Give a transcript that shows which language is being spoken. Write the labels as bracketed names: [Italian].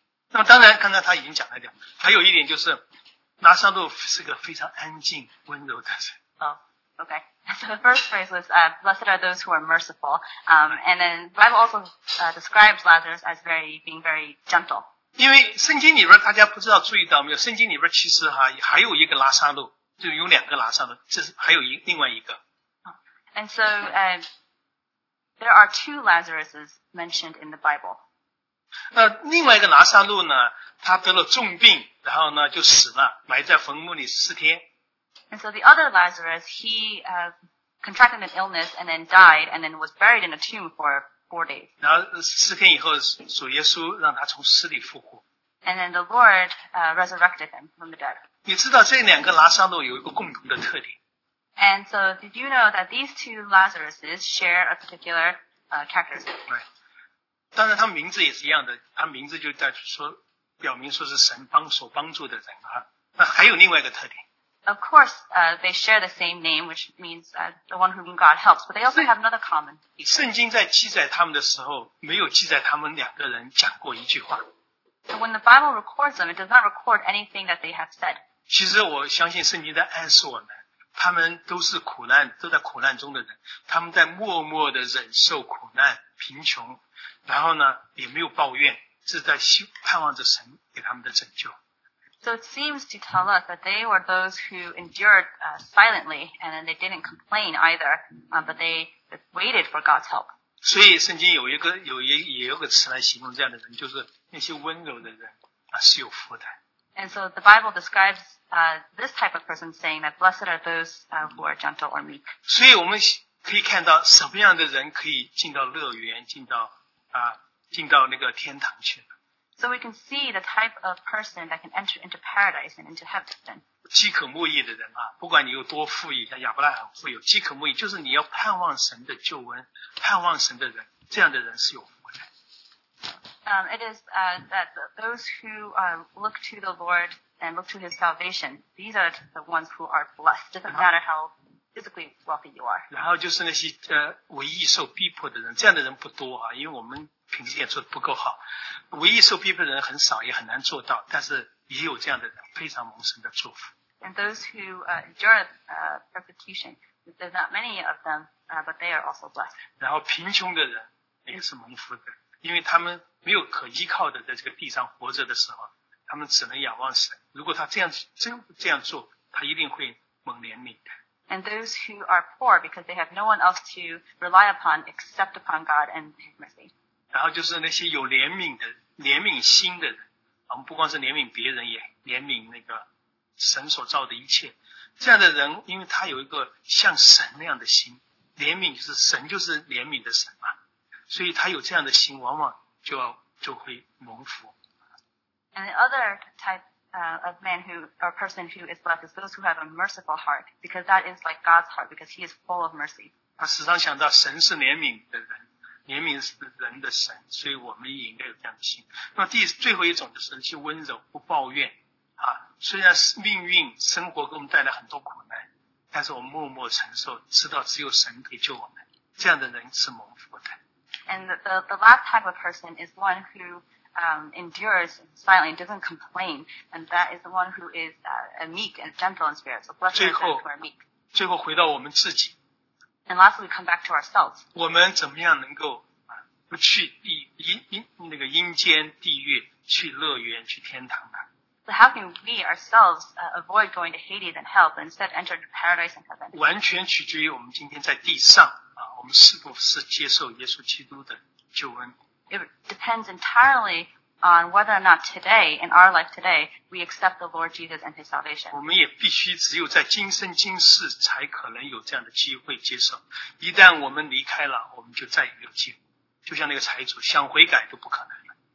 [Chinese] 那么当然刚才他已经讲了一点，还有一点就是拿撒路是个非常安静温柔的人。 [English] So the first phrase was, blessed are those who are merciful. And then the Bible also describes Lazarus as being very gentle. [Chinese] 因为圣经里边大家不知道注意到没有，圣经里边其实哈还有一个拉撒路，就有两个拉撒路，这是还有一另外一个。 [English] And so, there are two Lazaruses mentioned in the Bible. [Chinese] 另外一个拉撒路呢，他得了重病，然后呢就死了，埋在坟墓里四天。 [English] And so the other Lazarus, he contracted an illness and then died and then was buried in a tomb for 4 days. [Chinese] 然后四天以后，主耶稣让他从死里复活。 [English] And then the Lord resurrected him from the dead. [Chinese] 你知道这两个拉撒路有一个共同的特点。 [English] And so did you know that these two Lazaruses share a particular characteristic? Right. [Chinese] 当然他们名字也是一样的，他名字就在说表明说是神帮所帮助的人啊。那还有另外一个特点。 [English] Of course, they share the same name, which means the one whom God helps, but they also have another common feature. [Chinese] 圣经在记载他们的时候，没有记载他们两个人讲过一句话。 [English] So when the Bible records them, it does not record anything that they have said. [Chinese] 其实我相信圣经在暗示我们，他们都是苦难，都在苦难中的人，他们在默默地忍受苦难、贫穷，然后呢，也没有抱怨，是在盼望着神给他们的拯救。 [English] So it seems to tell us that they were those who endured silently, and then they didn't complain either, but they waited for God's help. [Chinese] 所以圣经有一个有也也有个词来形容这样的人，就是那些温柔的人啊，是有福的。 [English] And so the Bible describes this type of person saying that blessed are those who are gentle or meek. [Chinese] 所以我们可以看到什么样的人可以进到乐园，进到那个天堂去。 [English] So we can see the type of person that can enter into paradise and into heaven. [Chinese] 饥渴慕义的人啊，不管你有多富裕，像亚伯拉罕富有，饥渴慕义就是你要盼望神的救恩，盼望神的人，这样的人是有福的。 [English] It is that those who look to the Lord and look to His salvation, these are the ones who are blessed. Doesn't matter how physically wealthy you are. [Chinese] 然后就是那些唯一受逼迫的人，这样的人不多啊，因为我们。平时也做得不够好，唯一受逼迫的人很少，也很难做到。但是也有这样的人，非常蒙神的祝福。 [English] And those who endure persecution, there's not many of them, but they are also blessed. [Chinese] 然后贫穷的人也是蒙福的，因为他们没有可依靠的，在这个地上活着的时候，他们只能仰望神。如果他这样真这样做，他一定会蒙怜悯的。 [English] And those who are poor because they have no one else to rely upon except upon God and His mercy. [Chinese] 然后就是那些有怜悯的怜悯心的人，我们不光是怜悯别人，也怜悯那个神所造的一切。这样的人，因为他有一个像神那样的心，怜悯就是神就是怜悯的神嘛，所以他有这样的心，往往就会蒙福。 [English] And the other type of man who or person who is blessed is those who have a merciful heart, because that is like God's heart, because He is full of mercy. [Chinese] 他时常想到神是怜悯的人。怜悯人的神，所以我们也应该有这样的心。那么最后一种就是那些温柔不抱怨啊，虽然命运生活给我们带来很多苦难，但是我们默默承受，知道只有神可以救我们，这样的人是蒙福的。 [English] And the last type of person is one who endures silently, doesn't complain, and that is the one who is meek and gentle in spirit. So blessed are those who are meek. [Chinese] 最后回到我们自己。 [English] And lastly, we come back to ourselves. [Chinese] 我们怎么样能够不去阴间地狱，去乐园，去天堂呢？ [English] So how can we ourselves avoid going to Hades and hell, but instead enter paradise and heaven? [Chinese] 完全取决于我们今天在地上啊，我们是否是接受耶稣基督的救恩。 [English] It depends entirely on whether or not today, in our life today, we accept the Lord Jesus and His salvation. [Chinese] 我们也必须只有在今生今世才可能有这样的机会接受。一旦我们离开了，我们就再也没有机会。就像那个财主，想悔改都不可能了。